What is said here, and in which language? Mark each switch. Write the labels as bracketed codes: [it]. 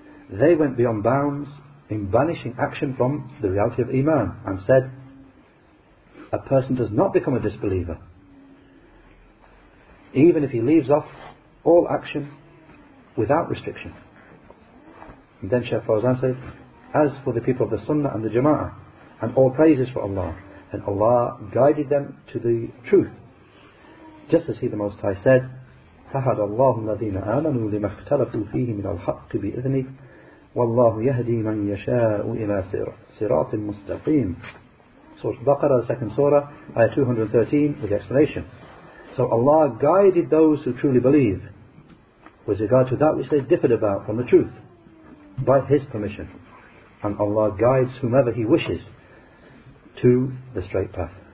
[en] They went beyond bounds in banishing action from the reality of Iman, and said, a person does not become a disbeliever, even if he leaves off all action without restriction. And then Sheikh Fawzan said, as for the people of the Sunnah and the Jama'ah, and all praises for Allah, and Allah guided them to the truth. Just as He, the Most High, said, [ar] فَهَدَ اللَّهُ الَّذِينَ آمَنُوا لِمَا اخْتَلَفُوا فِيهِ مِنَ الْحَقِّ بِإِذْنِهِ وَاللَّهُ يَهْدِي مَنْ يَشَاءُ إِلَى صِرَاطٍ مُسْتَقِيمٍ. [en] Surah Baqarah, the second surah, ayah 213, with the explanation. So Allah guided those who truly believe with regard to that which they differed about from the truth by His permission. And Allah guides whomever He wishes to the straight path.